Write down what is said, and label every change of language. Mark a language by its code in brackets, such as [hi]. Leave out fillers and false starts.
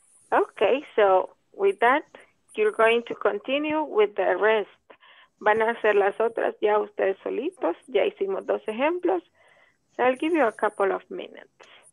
[en] Okay, so with that, you're going to continue with the rest. [es] Van a hacer las otras ya ustedes solitos. Ya hicimos 2 ejemplos. [en] So I'll give you a couple of minutes.